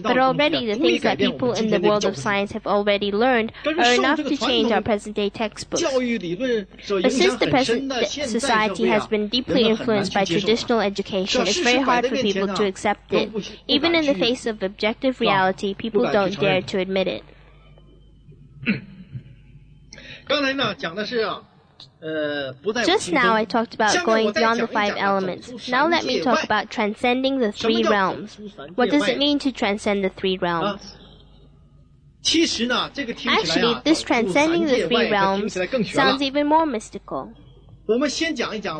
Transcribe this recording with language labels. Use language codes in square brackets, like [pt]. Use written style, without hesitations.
[en] But already, the things that people in the world of science have already learned are enough to change our present-day textbooks. But since the present society has been deeply influenced by traditional education, it's very hard for people to accept it. Even in the face of objective reality, people don't dare to admit it. [zh] 刚才呢, 讲的是, 不再不清空, [en] Just now I talked about going beyond the five elements. Now let me talk about transcending the three realms. What does it mean to transcend the three realms? [zh] 其实呢, 这个听起来啊, [en] Actually, this transcending the three realms sounds even more mystical. [zh] 我们先讲一讲,